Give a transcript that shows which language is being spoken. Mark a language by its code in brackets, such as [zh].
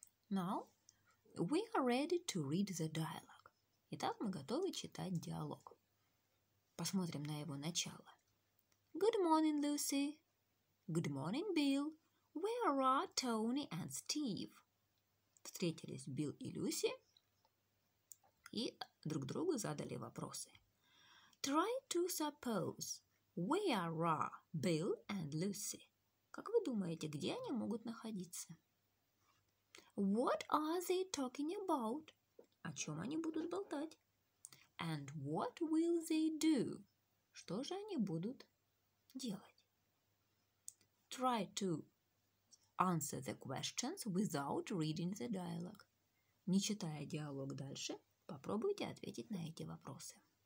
[en] Now, we are ready to read the dialogue. [ru] Итак, мы готовы читать диалог. Посмотрим на его начало. [en] Good morning, Lucy. Good morning, Bill. Where are Tony and Steve? [ru] Встретились Билл и Люси и друг другу задали вопросы. [en] Try to suppose, where are Bill and Lucy? [ru] Как вы думаете, где они могут находиться? [en] What are they talking about? [ru] О чем они будут болтать? [en] And what will they do? [ru] Что же они будут делать? [en] Try to answer the questions without reading the dialogue. [ru] Не читая диалог дальше, попробуйте ответить на эти вопросы.